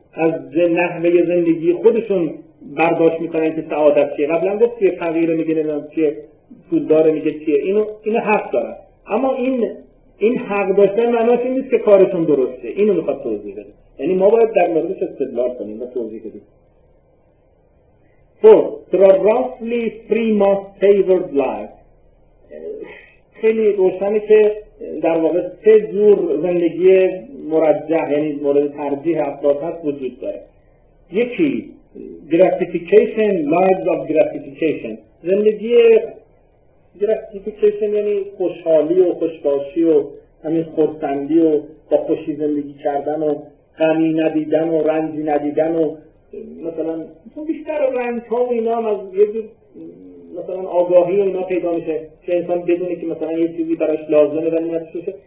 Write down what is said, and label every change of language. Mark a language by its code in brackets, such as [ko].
[fa] از نحوه زندگی خودشون برداشت میکنن که سعادت چیه. قبلا گفت چیه فقیره میگه، نمیدونم چیه پولدار میگه چیه، اینو حق دارن. اما این حق داشتن معناش این نیست که کارتون درسته. اینو میخواد توضیح بده. یعنی ما باید در موردش استدلال کنیم و توضیح بدیم. [en] So, there are roughly three most favored lives. [fa] خیلی روشنه که در واقع سه جور زندگی مرجح، یعنی مورد ترجیح افراد هست، وجود داره. [en] یکی gratification, lives of gratification. [fa] زندگی gratification یعنی خوشحالی و خوشباشی و همین خرسندی و با خوشی زندگی کردن و غمی ندیدن و رنجی ندیدن و مثلا بیشتر رنج ها و اینا هم از یه جور مثلا آگاهی و اینا پیدا میشه که انسان بدونه که مثلا یه چیزی براش لازمه و نیازش باشه.